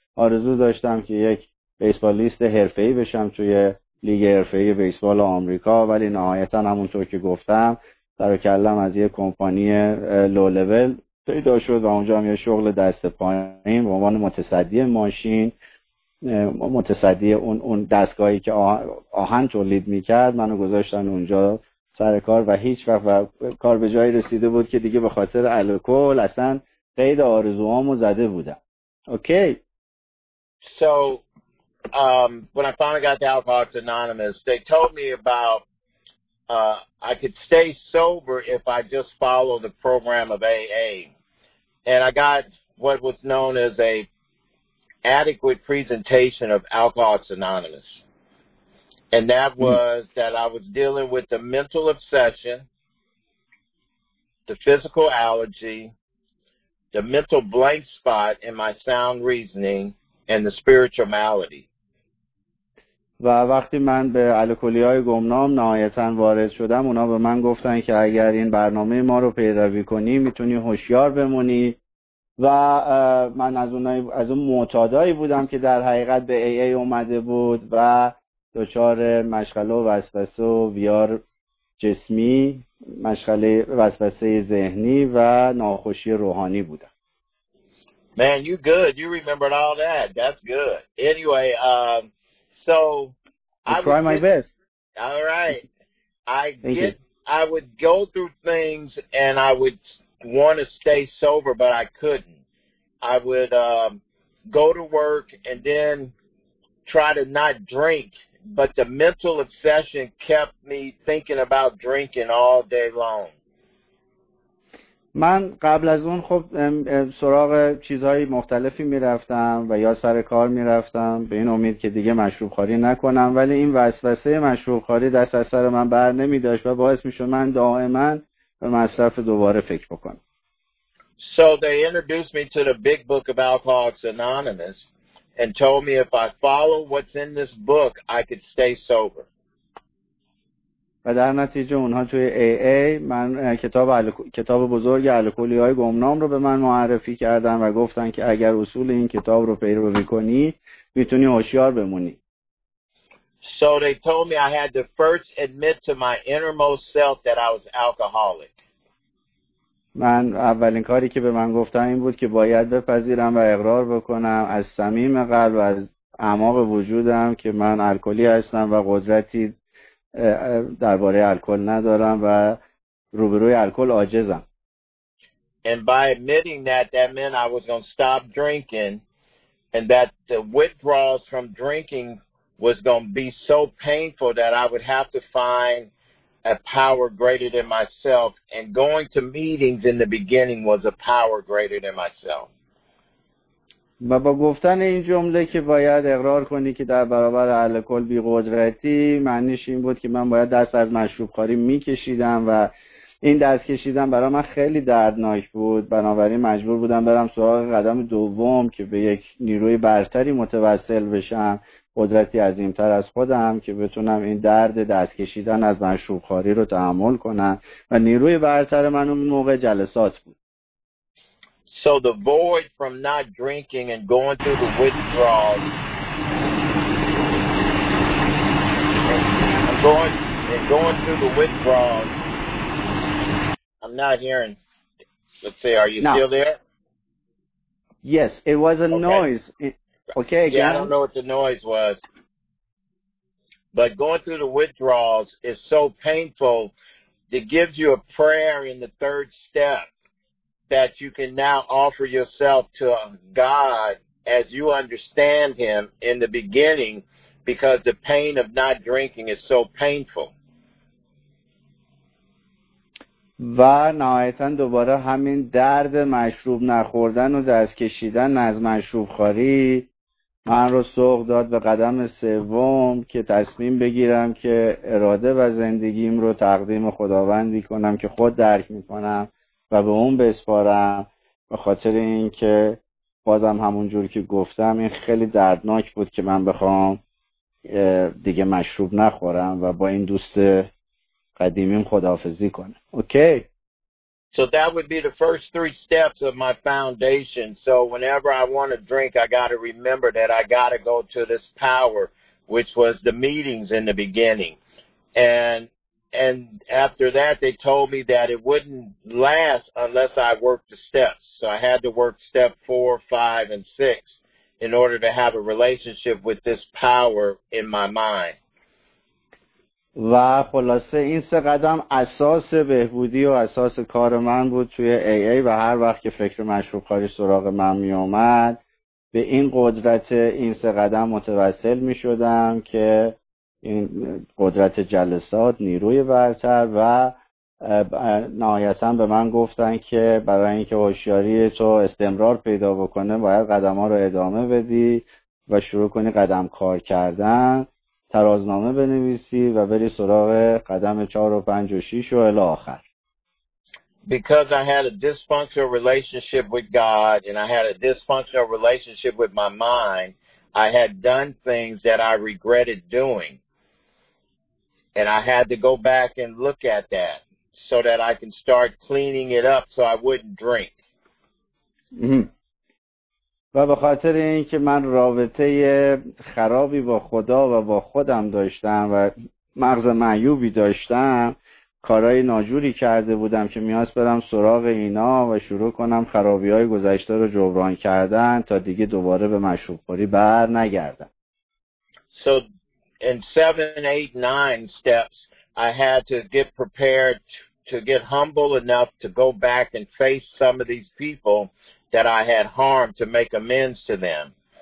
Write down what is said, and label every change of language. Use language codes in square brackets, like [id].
[fa] آرزو داشتم که یک بیسبالیست حرفه‌ای بشم توی لیگ حرفه‌ای بیسبال آمریکا، ولی نهایتا همونطور که گفتم سر و کلم از یک کمپانی لو لول پیدا شد و اونجا هم یه شغل دست پایین به عنوان متصدی ماشین، متصدی اون دستگاهی که آهن تولید میکرد، منو گذاشتن اونجا سر کار و هیچ وقت کار به جایی رسیده بود که دیگه به خاطر الکل اصلا قید آرزوامو زده بودم. [en] Okay. So when I finally got to Alcoholics Anonymous, they told me about I could stay sober if I just follow the program of AA. And I got what was known as a adequate presentation of Alcoholics Anonymous. And that was that I was dealing with the mental obsession, the physical allergy, the mental blank spot in my sound reasoning, and the spiritual malady. [fa] و وقتی من به الکلی‌های گمنام نهایتاً وارد شدم، اونا به من گفتن که اگر این برنامه ما رو پیروی کنی میتونی هوشیار بمونی. و من از اون معتادایی بودم که در حقیقت به AA اومده بود و دچار مشغله و وسوسه و ویار جسمی، مشغله وسوسه ذهنی و ناخوشی روحانی بودم. [en] Man, you good. You remembered all that. That's good. Anyway, so I try my best. All right. I would go through things and I would want to stay sober, but I couldn't. I would go to work and then try to not drink, but the mental obsession kept me thinking about drinking all day long. [fa] من قبل از اون خب سراغ چیزهای مختلفی میرفتم و یا سر کار میرفتم به این امید که دیگه مشروب خوری نکنم، ولی این وسوسه مشروب خوری دست از سر من بر نمیداشت و باعث میشد من دائما به مصرف دوباره فکر بکنم. [en] So they introduced me to the big book of Alcoholics Anonymous and told me if I follow what's in this book I could stay sober. [fa] و در نتیجه اونها توی AA من کتاب بزرگ الکلی‌های گمنام رو به من معرفی کردن و گفتن که اگر اصول این کتاب رو پیروی کنی میتونی هوشیار بمونی. [en] So they told me I had to first admit to my innermost self that I was alcoholic. [fa] من اولین کاری که به من گفتن این بود که باید بپذیرم و اقرار بکنم از صمیم قلب و از اعماق وجودم که من الکلی هستم و قدرتی درباره الکل ندارم و روبروی الکل عاجزم. [en] And by admitting that meant I was going to stop drinking and that the withdrawals from drinking was going to be so painful that I would have to find a power greater than myself, and going to meetings in the beginning was a power greater than myself. [fa] و با گفتن این جمله که باید اقرار کنی که در برابر الکل بی قدرتی، معنیش این بود که من باید دست از مشروب خوری می کشیدم و این دست کشیدن برای من خیلی دردناک بود، بنابراین مجبور بودم برم سراغ قدم دوم که به یک نیروی برتری متوسل بشم، قدرتی عظیمتر از خودم که بتونم این درد دست کشیدن از مشروب خوری رو تحمل کنم و نیروی برتر من اون موقع جلسات بود. [en] So the void from not drinking and going through the withdrawals I'm not hearing. Let's see, are you no. still there? Yes, it was a okay. noise. Okay, again. Yeah, I don't know what the noise was. But going through the withdrawals is so painful. It gives you a prayer in the third step that you can now offer yourself to God as you understand him in the beginning, because the pain of not drinking is so painful. [fa] و نهایتا دوباره همین درد مشروب نخوردن و دست کشیدن از مشروب خوری من رو سوق داد به قدم سوم که تصمیم بگیرم که اراده و زندگیم رو تقدیم خداوندی کنم که خود درک میکنم و به اون بسپارم، به خاطر اینکه بازم همون جور که گفتم این خیلی دردناک بود که من بخوام دیگه مشروب نخورم و با این دوست قدیمیم خداحافظی کنم. [en] Okay. So that would be the first three steps of my foundation. So whenever I want to drink, I got to remember that I got to go to this power, which was the meetings in the beginning. And after that, they told me that it wouldn't last unless I worked the steps. So I had to work step 4, 5, and 6 in order to have a relationship with this power in my mind. [fa] و خلاصه این سه قدم اساس بهبودی و اساس کار من بود توی AA و هر وقت که فکر مشروب خوری سراغ من می اومد به این قدرت این سه قدم متوسل می شدم که این قدرت جلسات، نیروی برتر و نهایتاً به من گفتن که برای اینکه هوشیاری تو استمرار پیدا بکنه باید قدم ها رو ادامه بدی و شروع کنی قدم کار کردن، ترازنامه بنویسی و بری سراغ قدم 4 و 5 و 6 و الی آخر. [en] Because I had a dysfunctional relationship with God and I had a dysfunctional relationship with my mind, I had done things that I regretted doing. And I had to go back and look at that so that I can start cleaning it up so I wouldn't drink. [fa] و به خاطر اینکه من رابطه خرابی با خدا و با خودم داشتم و مغز معیوبی داشتم، کارهای ناجوری کرده بودم که میاس برم سراغ اینا و شروع کنم خرابی‌های گذشته رو جبران کردن تا دیگه دوباره به مشروب خوری بر نگردم. [en] So in 7, 8, 9 steps I had to get prepared to get humble enough to go back and face some of these people that I had harmed to make amends to them.